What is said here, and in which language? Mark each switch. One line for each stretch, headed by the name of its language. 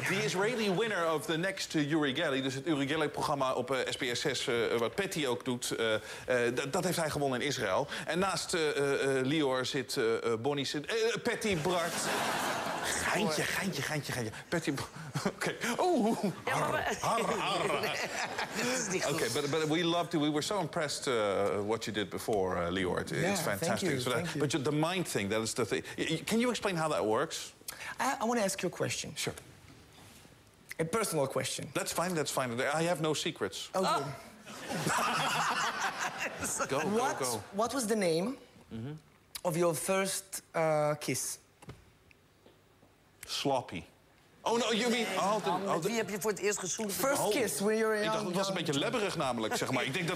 English: The Israeli winner of the next Uri Geller.
Dutch: Dus het Uri Geller-programma op SBS6, wat Patty ook doet. Dat heeft hij gewonnen in Israël. En naast Lior zit Bonnie... Patty Bart. Geintje.
English: Patty... Okay. Oh. Okay, but we loved it. We were so impressed what you did before, Lior. It's fantastic. Thank you. But the mind thing, that is the thing. Can you explain how that works? I want to ask you a question. Sure. A personal question. That's fine. I have no secrets. Okay. Oh. go. What was the name of your first kiss? Sloppy. Oh, no, you mean...
Dutch: Wie heb je voor het eerst gezoend?
English: First kiss, when you're young.
Dutch: Ik dacht, het was een beetje lebberig namelijk, zeg maar. Ik denk dat